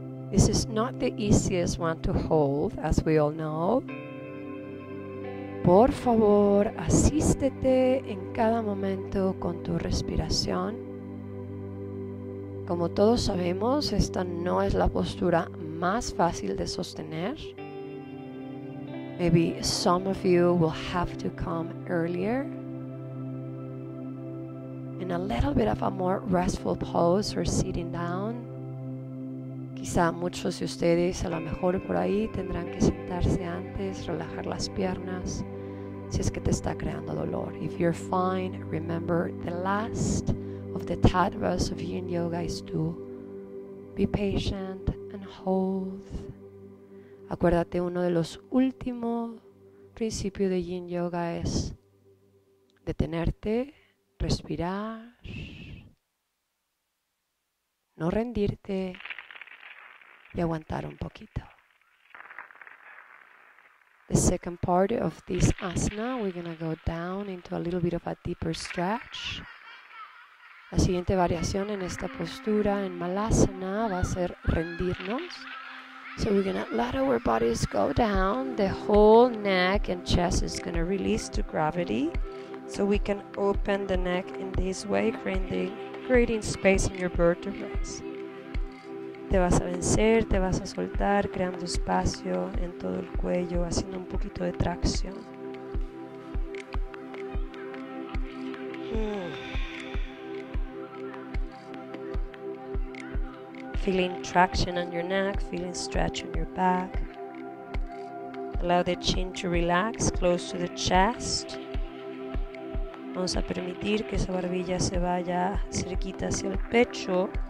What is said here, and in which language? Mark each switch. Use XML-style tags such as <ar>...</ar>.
<en>This is not the easiest one to hold, as we all know.</en> <es>Por favor, asístete en cada momento con tu respiración. Como todos sabemos, esta no es la postura más fácil de sostener.</es> <en>Maybe some of you will have to come earlier. In a little bit of a more restful pose or sitting down.</en> <es>Quizá muchos de ustedes a lo mejor por ahí tendrán que sentarse antes, relajar las piernas, si es que te está creando dolor.</es> <en>If you're fine, remember the last of the tattvas of yin yoga is to be patient and hold.</en> <es>Acuérdate, uno de los últimos principios de yin yoga es detenerte, respirar, no rendirte y aguantar un poquito.</es> <en>The second part of this asana, we're going to go down into a little bit of a deeper stretch.</en> <es>La siguiente variación en esta postura, en Malasana, va a ser rendirnos.</es> <en>So we're going to let our bodies go down. The whole neck and chest is going to release to gravity. So we can open the neck in this way, creating space in your vertebrae.</en> <es>Te vas a vencer, te vas a soltar, creando espacio en todo el cuello, haciendo un poquito de tracción.</es> <en>Feeling traction on your neck, feeling stretch on your back. Allow the chin to relax close to the chest.</en> <es>Vamos a permitir que esa barbilla se vaya cerquita hacia el pecho.</es>